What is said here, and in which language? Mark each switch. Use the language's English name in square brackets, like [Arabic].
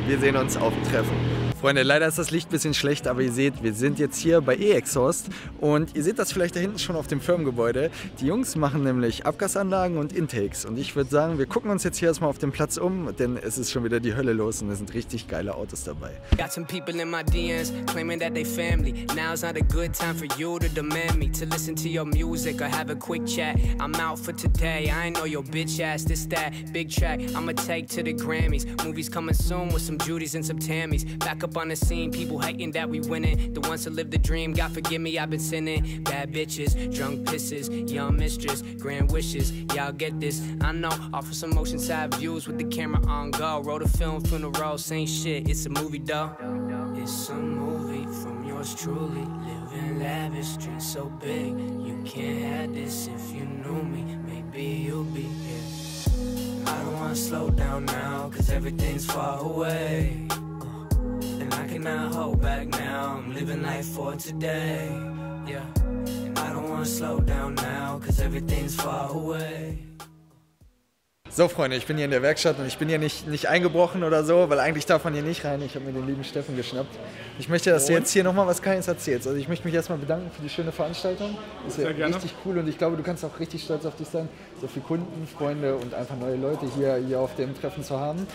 [German] Wir sehen uns auf dem Treffen. Freunde, leider ist das Licht ein bisschen schlecht, aber ihr seht, wir sind jetzt hier bei E-Exhaust und ihr seht das vielleicht da hinten schon auf dem Firmengebäude. Die Jungs machen nämlich Abgasanlagen und Intakes und ich würde sagen, wir gucken uns jetzt hier erstmal auf dem Platz um, denn es ist schon wieder die Hölle los und es sind richtig geile Autos dabei. [English] Got some people in my DMs claiming that they family. Now's not a good time for you to demand me to listen to your music or have a quick chat. I'm out for today, I know your bitch ass, this that big track. I'ma take to the Grammys, movies coming soon with some Judys and some Tammys. Back up on the scene, people hating that we winning. The ones who live the dream, God forgive me, I've been sinning. Bad bitches, drunk pisses, young mistress, grand wishes, y'all get this. I know, offer some motion side views with the camera on go. Wrote a film, funeral, same shit, it's a movie, though. It's a movie from yours truly, living lavish, dream so big. You can't have this if you knew me, maybe you'll be here. I don't wanna slow down now, cause everything's far away. I cannot hold back now, I'm living life for today. Yeah, and I don't wanna slow down now, cause everything's far away. [German] So, Freunde, ich bin hier in der Werkstatt und ich bin hier nicht eingebrochen oder so, weil eigentlich darf man hier nicht rein. Ich habe mir den lieben Steffen geschnappt. Ich möchte, dass du jetzt hier nochmal was Kleines erzählst. Also ich möchte mich erstmal bedanken für die schöne Veranstaltung. Ist sehr ja gerne. Richtig cool und ich glaube, du kannst auch richtig stolz auf dich sein, so viele Kunden, Freunde und einfach neue Leute hier auf dem Treffen zu haben.